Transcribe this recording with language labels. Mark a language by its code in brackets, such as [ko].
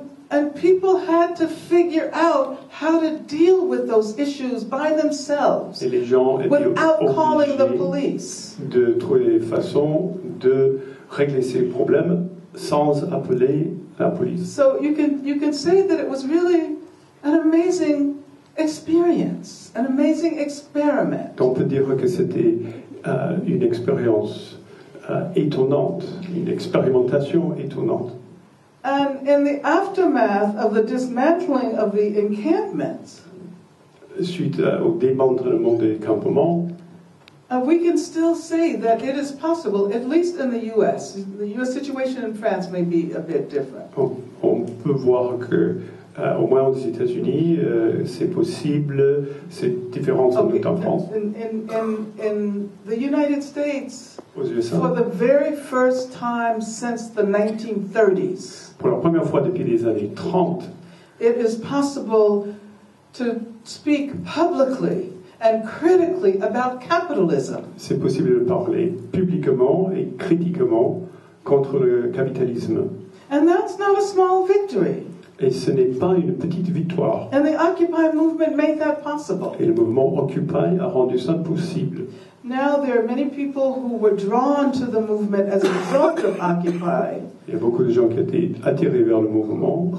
[en] And people had to figure out how to deal with those issues by themselves [fr] et les gens [en] without calling the police. [fr] De trouver des façons de régler ces problèmes sans appeler la police. [en] So you can say that it was really an amazing experience, an amazing experiment. [fr] Donc on peut dire que c'était une expérience étonnante, une expérimentation étonnante. [en] And in the aftermath of the dismantling of the encampments, [fr] suite au démantèlement des campements, [en] we can still say that it is possible, at least in the U.S. The U.S. situation in France may be a bit different. [fr] On peut voir que, au moins aux États-Unis, c'est possible, c'est différent sans doute en France. [en] In the United States, [fr] aux USA, [en] for the very first time since the 1930s. [fr] Pour la première fois depuis les années 30, [en] it is possible to speak publicly and critically about capitalism. [fr] C'est possible de parler publiquement et critiquement contre le capitalisme. [en] And that's not a small victory. [fr] Et ce n'est pas une petite victoire. [en] And the Occupy movement made that possible. [fr] Et le mouvement Occupy a rendu ça possible. [en] Now there are many people who were drawn to the movement as a result of Occupy. [fr] Il y a beaucoup de gens qui étaient attirés vers le mouvement.